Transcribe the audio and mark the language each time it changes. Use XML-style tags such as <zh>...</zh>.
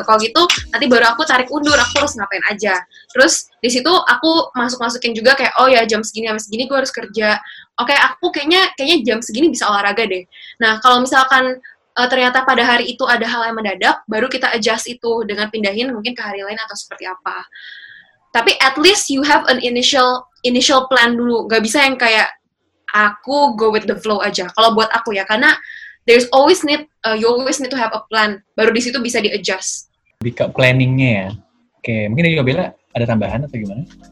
<id>Kalau gitu nanti baru aku tarik undur, aku harus ngapain aja. Terus di situ aku masukin juga kayak, oh ya jam segini gue harus kerja, oke aku kayaknya jam segini bisa olahraga deh. Nah kalau misalkan ternyata pada hari itu ada hal yang mendadak, baru kita adjust itu dengan pindahin mungkin ke hari lain atau seperti apa.</id> <en>Tapi at least you have an initial plan dulu.</en> <id>Gak bisa yang kayak aku</id> <en>go with the flow</en> <id>aja. Kalau buat aku ya, karena</id> <en>there's always need you always need to have a plan.</en> <id>Baru di situ bisa di adjust. Lebih ke planningnya ya. Oke, mungkin dari Bella ada tambahan atau gimana?</id>